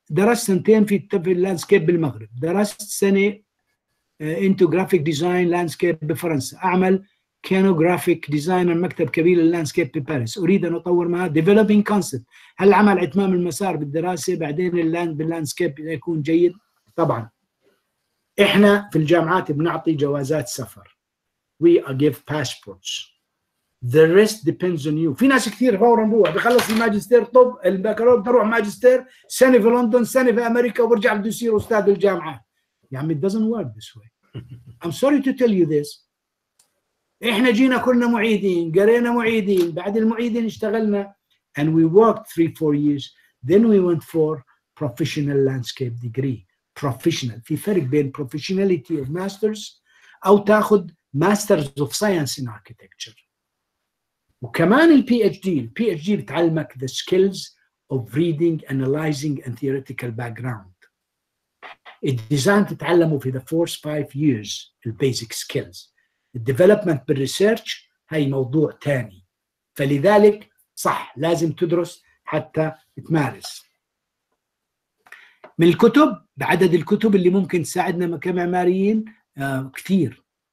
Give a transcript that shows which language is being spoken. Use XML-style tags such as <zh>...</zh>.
<ar>درست سنتين في اللاندسكيب بالمغرب، درست سنة انتو جرافيك ديزاين لاندسكيب بفرنسا، اعمل كانو جرافيك ديزاينر مكتب كبير لاندسكيب بباريس، اريد ان اطور معها ديفلوبينج كونسبت، هل عمل اتمام المسار بالدراسة بعدين اللاند باللاندسكيب يكون جيد؟ طبعا احنا في الجامعات بنعطي جوازات سفر،</ar> <en>we are give passports. The rest depends on you.</en> <ar>في ناس كثير فوراً بروح بخلص الماجستير، طب البكالوريوس بروح ماجستير سنة في لندن سنة في أمريكا وبرجع بدي يصير أستاذ الجامعة. يعني</ar> <en>it doesn't work this way. I'm sorry to tell you this.</en> <ar>إحنا جينا كلنا معيدين، قرينا معيدين، بعد المعيدين اشتغلنا</ar> <en>and we worked 3-4 years. Then we went for professional landscape degree. Professional.</en> <ar>في فرق بين</ar> <en>professionality of masters</en> <ar>أو تأخذ</ar> <en>masters of science in architecture.</en> <ar>وكمان</ar> <en>PhD، PhD</en> <ar>بتعلمك</ar> <en>the skills of reading, analyzing and theoretical background.</en> <ar>الديزاين تتعلمه في</ar> <en>the first 5 years, the basic skills.</en> <ar>الديفلوبمنت بالريسيرش هاي موضوع تاني. فلذلك صح لازم تدرس حتى تمارس. من الكتب، بعدد الكتب اللي ممكن تساعدنا كمعماريين كثير.</ar>